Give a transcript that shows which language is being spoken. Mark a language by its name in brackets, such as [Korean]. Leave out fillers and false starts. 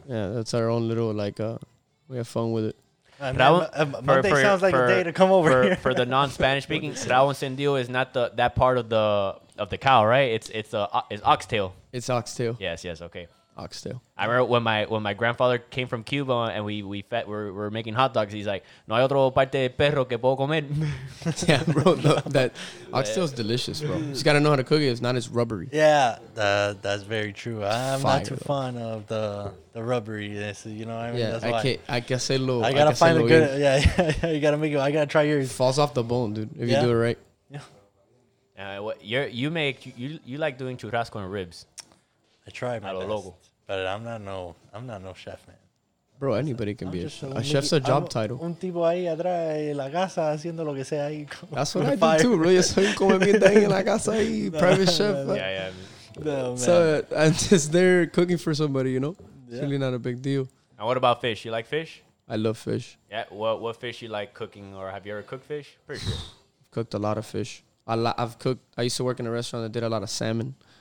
[English] Yeah, that's our own little, we have fun with it. Monday sounds like a day to come over here. For the non-Spanish speaking, rabo encendido is not that part of the cow, right? It's oxtail. It's oxtail. Yes, yes, okay. Oxtail. I remember when my grandfather came from Cuba and we were making hot dogs. [Spanish] He's like, no hay otro parte de perro que puedo comer. [English] Yeah, bro, no, that oxtail is delicious, bro. You just gotta know how to cook it. It's not as rubbery. Yeah, that's very true. I'm fire, not too though. Fond of the rubberiness. You know what I mean? Yeah, I gotta find a good. Yeah, you gotta make it. I gotta try yours. Falls off the bone, dude. If you do it right. You like doing churrasco and ribs. I try my best, logo. But I'm not no chef, man. Bro, anybody can be a chef. A chef's a job title. [Spanish] Un tipo ahí atrás en la casa haciendo lo que sea ahí. [English] That's what I do too, bro. [Spanish] Yo soy como bien ahí en la casa ahí, [English] private chef. Yeah, man. So I'm just there cooking for somebody, you know. It's really not a big deal. And what about fish? You like fish? I love fish. Yeah. What fish you like cooking, or have you ever cooked fish? Pretty sure. I've cooked a lot of fish. I used to work in a restaurant that did a lot of salmon.